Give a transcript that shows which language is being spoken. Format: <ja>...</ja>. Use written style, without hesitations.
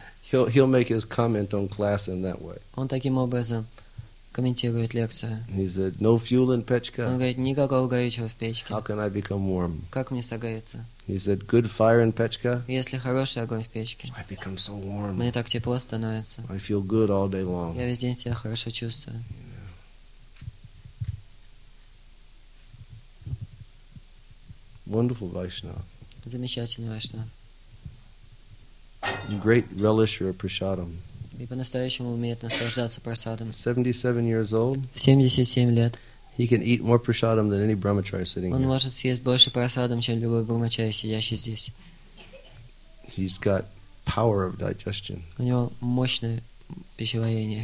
<en>he'll make his comment on class in that way.</en> <ru>Он таким образом комментирует лекцию.</ru> <en>He said, no fuel in печка.</en> <ru>Он говорит, никакого горючего в печке.</ru> <en>How can I become warm?</en> <ru>Как мне согреться?</ru> <en>He said, good fire in Pechka.</en> <ru>Если хороший огонь в печке.</ru> <en>I become so warm.</en> <ru>Мне так тепло становится.</ru> <en>I feel good all day long.</en> <ru>Я весь день себя хорошо чувствую.</ru> <en>Yeah. Wonderful Vaishnava.</en> <ru>Замечательный Вайшнав.</ru> <en>Great relisher of prasadam.</en> <ru>И по-настоящему умеет наслаждаться прасадом.</ru> <en>77 years old.</en> <ru>77 лет.</ru> <en>He can eat more prasadam than any brahmachari sitting</en> <ru>он</ru> <en>here.</en> <ru>Он может съесть больше прасадам, чем любой брахмачари, сидящий здесь.</ru> <en>He's got power of digestion.</en> <ru>У него мощное пищеварение.</ru>